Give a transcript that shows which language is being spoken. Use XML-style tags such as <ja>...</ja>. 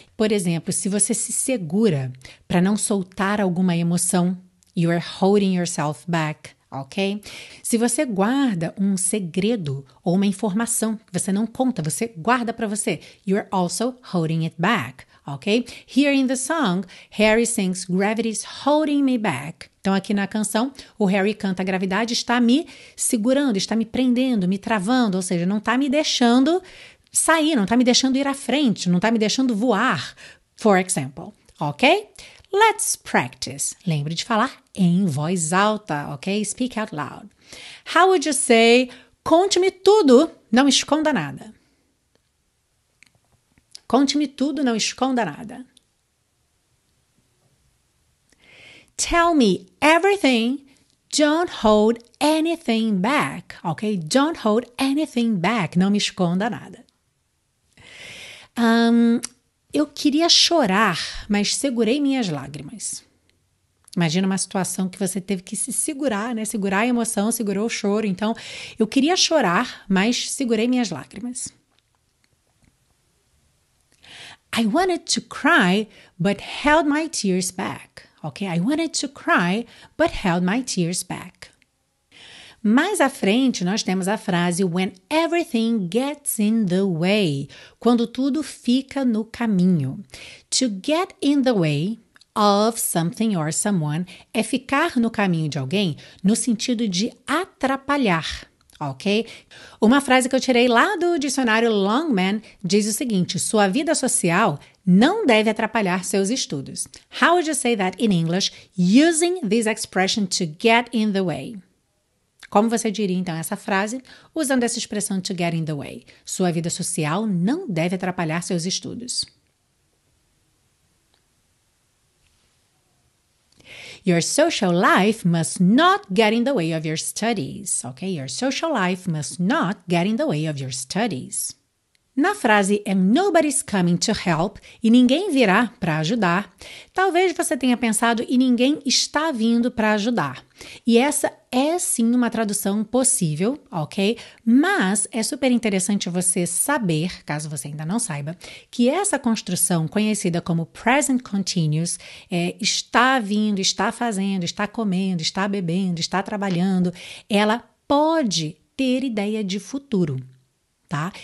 <pt>Por exemplo, se você se segura para não soltar alguma emoção,</pt> <en>you are holding yourself back,</en> <pt>ok? Se você guarda um segredo ou uma informação que você não conta, você guarda para você,</pt> <en>you are also holding it back,</en> <pt>ok?</pt> <en>Here in the song, Harry sings, gravity's holding me back.</en> <pt>Então, aqui na canção, o Harry canta, a gravidade está me segurando, está me prendendo, me travando, ou seja, não está me deixando sair, não está me deixando ir à frente, não está me deixando voar,</pt> <en>for example,</en> <pt>ok?</pt> <en>Let's practice.</en> <pt>Lembre de falar em voz alta, ok?</pt> <en>Speak out loud. How would you say,</en> <pt>conte-me tudo, não esconda nada? Conte-me tudo, não esconda nada.</pt> <en>Tell me everything, don't hold anything back, ok? Don't hold anything back,</en> <pt>não me esconda nada. Eu queria chorar, mas segurei minhas lágrimas. Imagina uma situação que você teve que se segurar, né? Segurar a emoção, segurou o choro. Então, eu queria chorar, mas segurei minhas lágrimas.</pt> <en>I wanted to cry, but held my tears back. Ok? I wanted to cry, but held my tears back.</en> <pt>Mais à frente, nós temos a frase</pt> <en>when everything gets in the way,</en> <pt>quando tudo fica no caminho.</pt> <en>To get in the way of something or someone</en> <pt>é ficar no caminho de alguém no sentido de atrapalhar, ok? Uma frase que eu tirei lá do dicionário Longman diz o seguinte: sua vida social não deve atrapalhar seus estudos.</pt> <en>How would you say that in English using this expression to get in the way?</en> <pt>Como você diria, então, essa frase usando essa expressão</pt> <en>to get in the way?</en> <pt>Sua vida social não deve atrapalhar seus estudos.</pt> <en>Your social life must not get in the way of your studies. Ok? Your social life must not get in the way of your studies.</en> <pt>Na frase</pt> <en>and nobody's coming to help,</en> <pt>e ninguém virá para ajudar, talvez você tenha pensado e ninguém está vindo para ajudar. E essa é sim uma tradução possível, ok? Mas é super interessante você saber, caso você ainda não saiba, que essa construção conhecida como present continuous está vindo, está fazendo, está comendo, está bebendo, está trabalhando, ela pode ter ideia de futuro. tá?</pt>